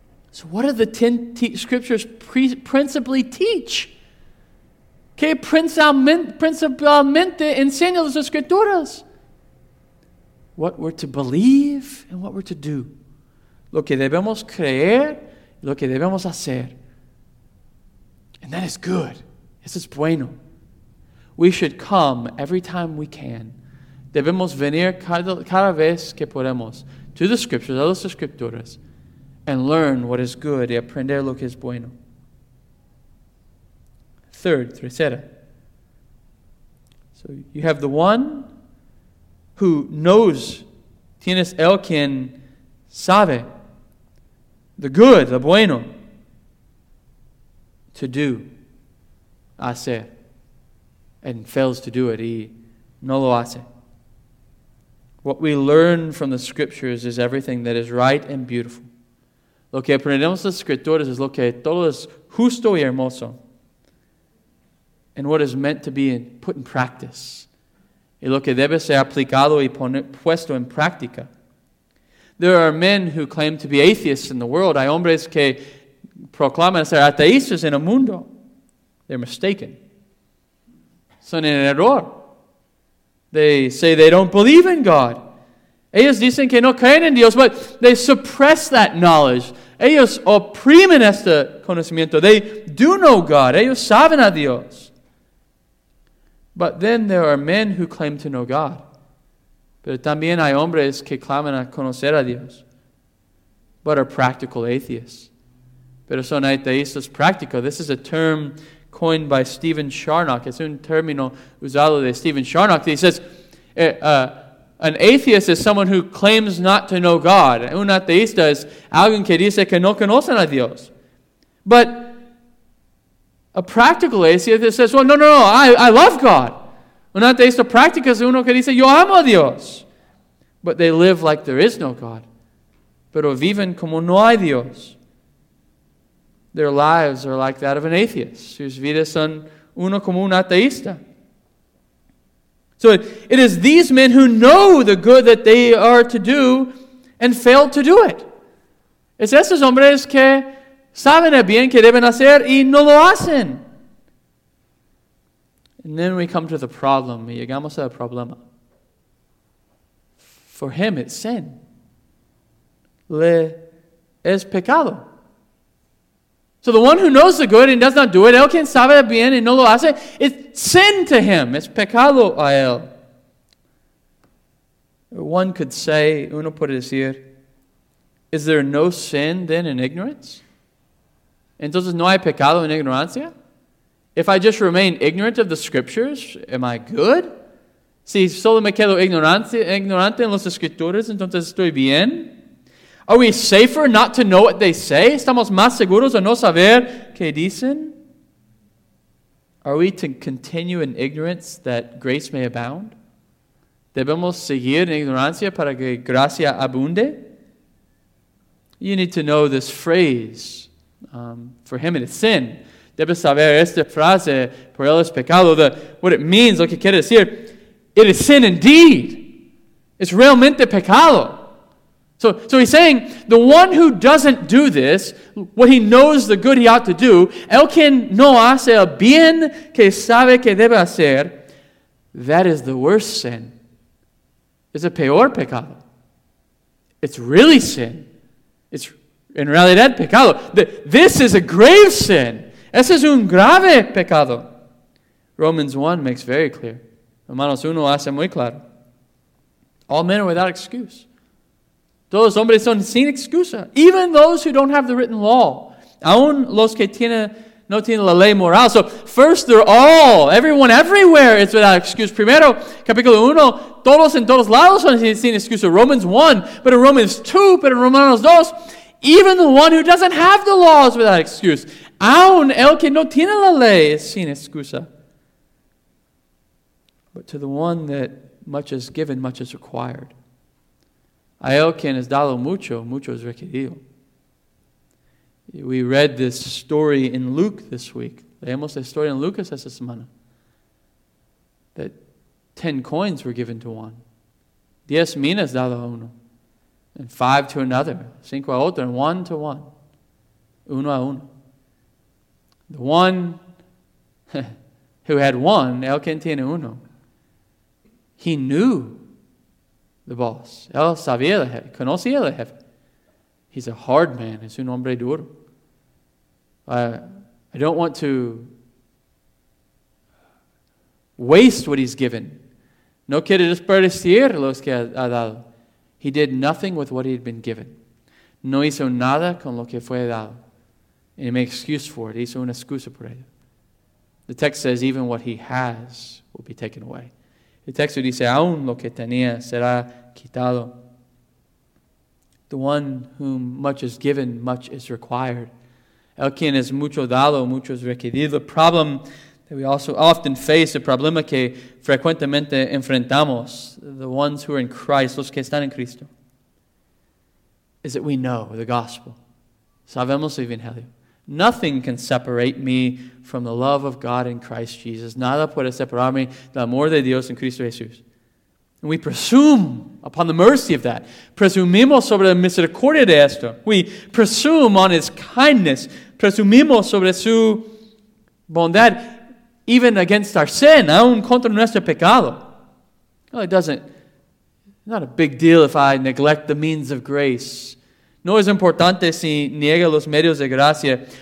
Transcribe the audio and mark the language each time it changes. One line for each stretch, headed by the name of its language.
English: So what do the 10 scriptures principally teach?
Spanish: ¿Qué principalmente enseñan las escrituras?
English: What we're to believe and what we're to do.
Spanish: Lo que debemos creer, lo que debemos hacer.
English: And that is good.
Spanish: Eso es bueno.
English: We should come every time we can.
Spanish: Debemos venir cada vez que podemos
English: to the scriptures,
Spanish: a las escrituras,
English: and learn what is good
Spanish: y aprender lo que es bueno.
English: Third, tercera. So you have the one who knows,
Spanish: tienes el quien sabe,
English: the good, the
Spanish: bueno,
English: to do,
Spanish: hacer.
English: And fails to do it, he
Spanish: no lo hace.
English: What we learn from the scriptures is everything that is right and beautiful.
Spanish: Lo que aprendemos de las escrituras es lo que todo es justo y hermoso.
English: And what is meant to be put in practice.
Spanish: y lo que debe ser aplicado y puesto en práctica.
English: There are men who claim to be atheists in the world.
Spanish: Hay hombres que proclaman ser ateístas en el mundo.
English: They're mistaken.
Spanish: Son en error.
English: They say they don't believe in God.
Spanish: Ellos dicen que no creen en Dios,
English: but they suppress that knowledge.
Spanish: Ellos oprimen este conocimiento.
English: They do know God.
Spanish: Ellos saben a Dios.
English: But then there are men who claim to know God.
Spanish: Pero también hay hombres que claman a conocer a Dios,
English: but are practical atheists.
Spanish: Pero son ateístas prácticos.
English: This is a term coined by Stephen Charnock.
Spanish: Es un término usado de Stephen Charnock.
English: He says, an atheist is someone who claims not to know God.
Spanish: Un ateísta es alguien que dice que no conocen a Dios.
English: But a practical atheist says, well, no, I love God.
Spanish: Un ateísta práctico es uno que dice, yo amo a Dios.
English: But they live like there is no God.
Spanish: Pero viven como no hay Dios.
English: Their lives are like that of an atheist, whose
Spanish: vidas son uno como un ateísta.
English: So it is these men who know the good that they are to do and fail to do it.
Spanish: Es esos hombres que saben el bien que deben hacer y no lo hacen.
English: And then we come to the problem.
Spanish: Y llegamos al problema.
English: For him, it's sin.
Spanish: Le es pecado.
English: So the one who knows the good and does not do it,
Spanish: el quien sabe bien y no lo hace,
English: it's sin to him.
Spanish: Es pecado a él.
English: One could say,
Spanish: uno puede decir,
English: is there no sin then in ignorance?
Spanish: Entonces, ¿no hay pecado en ignorancia?
English: If I just remain ignorant of the scriptures, am I good?
Spanish: Si solo me quedo ignorante en las escrituras, entonces estoy bien.
English: Are we safer not to know what they say?
Spanish: ¿Estamos más seguros de no saber qué dicen?
English: Are we to continue in ignorance that grace may abound?
Spanish: ¿Debemos seguir en ignorancia para que gracia abunde?
English: You need to know this phrase. For him, it is sin.
Spanish: Debes saber esta frase, por él es pecado,
English: what it means,
Spanish: lo que quiere decir.
English: It is sin indeed. It's
Spanish: realmente pecado.
English: So he's saying, the one who doesn't do this, what he knows the good he ought to do,
Spanish: el quien no hace el bien que sabe que debe hacer,
English: that is the worst sin.
Spanish: Es el peor pecado.
English: It's really sin. It's
Spanish: en realidad pecado.
English: This is a grave sin.
Spanish: Ese es un grave pecado.
English: Romans 1 makes very clear.
Spanish: Romanos 1 hace muy claro.
English: All men are without excuse.
Spanish: Todos hombres son sin excusa.
English: Even those who don't have the written law.
Spanish: Aún los que no tienen la ley moral.
English: So first they're all, everyone everywhere is without excuse.
Spanish: Primero, capítulo 1, todos en todos lados son sin excusa.
English: Romans 1, but in Romans 2,
Spanish: but in Romanos 2,
English: even the one who doesn't have the law is without excuse.
Spanish: Aún el que no tiene la ley es sin excusa.
English: But to the one that much is given, much is required.
Spanish: A él quien es dado mucho, mucho es requerido.
English: We read this story in Luke this week.
Spanish: Leemos la historia en Lucas esta semana.
English: That 10 coins were given to one.
Spanish: 10 minas dado a uno.
English: And 5 to another.
Spanish: 5 a otro.
English: And 1 to 1.
Spanish: Uno a uno.
English: The one who had one,
Spanish: el quien tiene uno,
English: he knew the boss.
Spanish: Él sabía el jefe. Conocía el jefe.
English: He's a hard man.
Spanish: Es un hombre duro.
English: I don't want to waste what he's given.
Spanish: No quiere desperdiciar los que ha dado.
English: He did nothing with what he had been given.
Spanish: No hizo nada con lo que fue dado.
English: And he made excuse for it.
Spanish: Hizo una excusa por ello.
English: The text says even what he has will be taken away.
Spanish: El texto dice, aún lo que tenía será quitado.
English: The one whom much is given, much is required.
Spanish: El quien es mucho dado, mucho es requerido.
English: The problem that we also often face,
Spanish: el problema que frecuentemente enfrentamos,
English: the ones who are in Christ,
Spanish: los que están en Cristo,
English: is that we know the gospel.
Spanish: Sabemos el evangelio.
English: Nothing can separate me from the love of God in Christ Jesus.
Spanish: Nada puede separarme del amor de Dios en Cristo Jesús.
English: And we presume upon the mercy of that.
Spanish: Presumimos sobre la misericordia de esto.
English: We presume on his kindness.
Spanish: Presumimos sobre su bondad,
English: even against our sin,
Spanish: aun contra nuestro pecado.
English: Well, it doesn't. Not a big deal if I neglect the means of grace.
Spanish: No es importante si niega los medios de gracia.